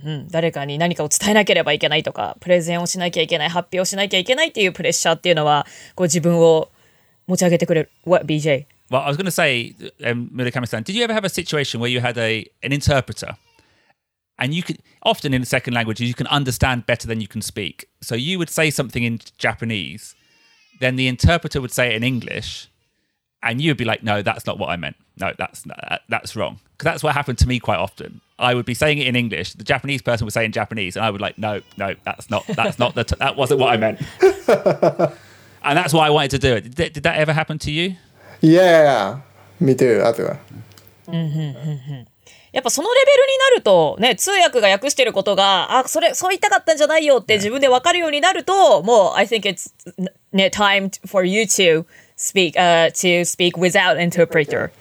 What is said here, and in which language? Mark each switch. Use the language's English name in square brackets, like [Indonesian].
[Japanese] 誰かに何かを伝えなければいけないとか、プレゼンをしなきゃいけない、発表しなきゃいけないっていうプレッシャーっていうのは、こう自分を持ち上げてくれる。 [English] What, BJ? Well, I was going to say, Murakami-san, did you ever have a situation where you had an interpreter? And you could, often in a second language, you can understand better than you can speak. So you would say something in Japanese, then the interpreter would say it in English, and you would be like, no, that's not what I meant. No, that's wrong. Because that's what happened to me quite often. I would be saying it in English. The Japanese person would say it in Japanese. And I would like, no, that's not that wasn't what I meant. And that's why I wanted to do it. Did that ever happen to you? Yeah, me too. I do. [Japanese] やっぱそのレベルになるとね、通訳が訳してることが、あ、それそう言いたかったんじゃないよって自分で分かるようになると、yeah. [English] もう I think it's ね time for you to speak to speak without interpreter